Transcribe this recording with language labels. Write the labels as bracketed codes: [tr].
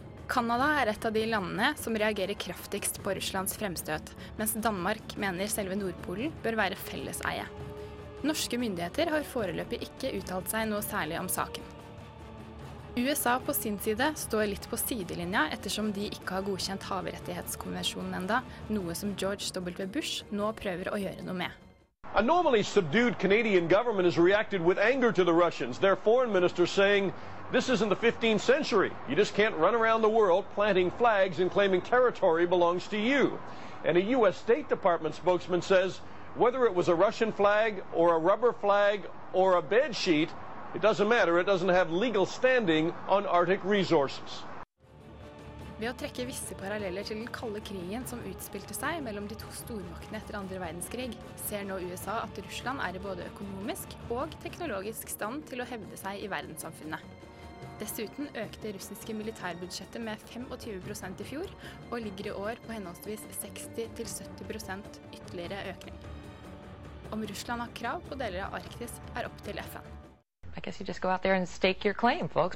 [no] Kanada er et av de landene som reagerer kraftigst på Russlands fremstøt, mens Danmark mener selve Nordpolen bør være felleseie. Norske myndigheter har foreløpig ikke uttalt seg noe særlig om saken. USA på sin side står litt på sidelinja ettersom de ikke har godkjent havrettighetskonvensjonen enda, noe som George W. Bush nå prøver å gjøre noe med. [en] A normally subdued Canadian government has reacted with anger to the Russians, their foreign minister saying, "This isn't the 15th century. You just can't run around the world planting flags and claiming territory belongs to you." And a U.S. State Department spokesman says, "Whether it was a Russian flag or a rubber flag or a bedsheet, it doesn't matter. It doesn't have legal standing on Arctic resources." [no] Ved å trekke visse paralleller til den kalde krigen som utspilte seg mellom de to stormaktene etter 2. verdenskrig, ser nå USA at Russland er i både økonomisk og teknologisk stand til å hevde seg i verdenssamfunnet. Dessuten økte russiske militærbudsjettet med 25% i fjor, og ligger i år på henholdsvis 60-70% ytterligere økning. Om Russland har krav på deler av Arktis, er opp til FN. [en] I guess you just go out there and stake your claim, folks.